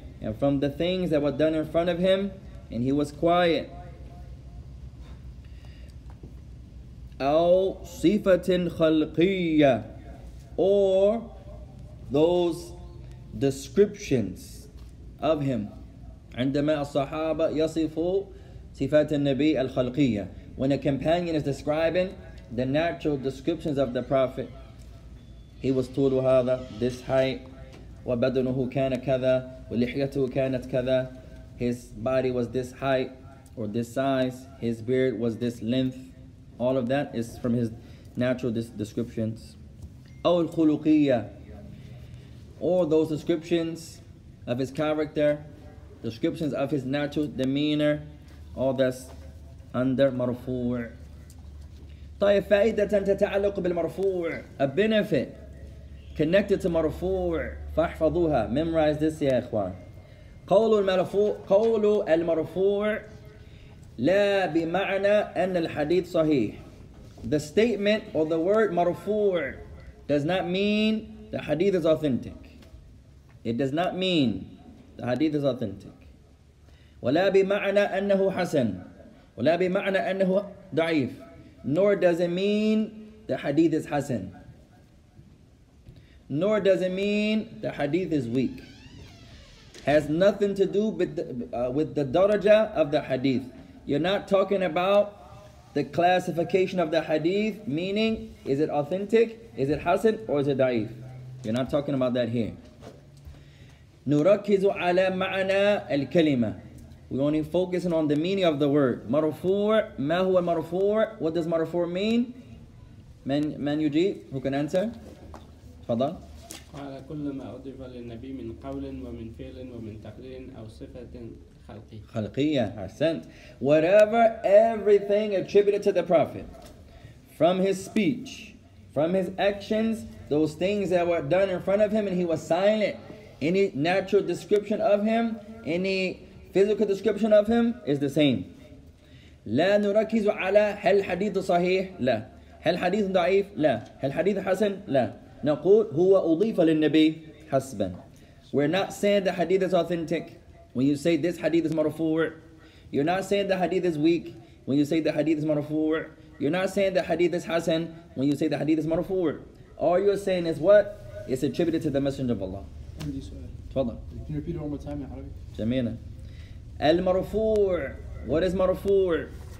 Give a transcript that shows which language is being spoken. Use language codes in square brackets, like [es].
[en] And from the things that were done in front of him. And he was quiet. [ar] أَوْ صِفَةٍ خَلْقِيَّةٍ. [en] Or those descriptions of him. [ar] عندما الصحابة يصفوا صفات النبي الخلقية. [en] When a companion is describing the natural descriptions of the Prophet. He was [ar] طول هذا, [en] this height. [ar] وبدنه كان كذا, ولحيته كانت كذا. [en] His body was this height or this size. His beard was this length. All of that is from his natural descriptions. [ar] أو الخلقية. [en] Or those descriptions of his character, descriptions of his natural demeanor, all that's under مرفوع. [ar] طيب فائدة تتعلق بالمرفوع. [en] A benefit connected to مرفوع. [ar] فاحفظوها. [en] Memorize this [ar] يا إخوان. قول المرفوع لا بمعنى أن الحديث صحيح. [en] The statement or the word مرفوع does not mean the hadith is authentic. It does not mean the hadith is authentic. [ar] ولا بمعنى أنه حسن. ولا بمعنى أنه ضعيف. [en] Nor does it mean the hadith is حسن. Nor does it mean the hadith is weak. Has nothing to do with the daraja of the hadith. You're not talking about the classification of the hadith, meaning, is it authentic, is it hasan, or is it da'if? You're not talking about that here. [ar] نُرَكِّزُ عَلَى مَعْنَى الْكَلِمَةِ [en] We're only focusing on the meaning of the word. [ar] مَرْفُوعٌ مَا هُوَ مَرْفُوعٌ [en] What does مَرْفُوعٌ mean? [ar] Man يجيب, [en] who can answer? [ar] تفضل. قَالَ كُلُّ مَا أُضِفَ لِلنَّبِيِّ مِنْ قَوْلٍ وَمِنْ فِيلٍ وَمِنْ تَقْلِيلٍ أَوْ صِفَةٍ خَلْقِيَّةٍ أَحْسَنْتَ [en] Whatever, everything attributed to the Prophet, from his speech, from his actions, those things that were done in front of him and he was silent, any natural description of him, any physical description of him is the same. [ar] لَا نُرَكِّزُ عَلَى هَلْ حَدِيثُ صَحِيحُ لَا هَلْ حَدِيثُ ضَعِيفُ لَا هَلْ حَدِيثُ حَسَنُ لَا نَقُولُ هُوَ أُضِيفَ لِلنَّبِيِّ حَسْبًا [en] We're not saying the hadith is authentic. When you say this hadith is marfu', you're not saying the hadith is weak. When you say the hadith is marfu', you're not saying the hadith is hasan. When you say the hadith is marfu', all you're saying is what? It's attributed to the Messenger of Allah. Can you repeat it one more time in Arabic? Jamila. Al-marfu'. What is marfu'?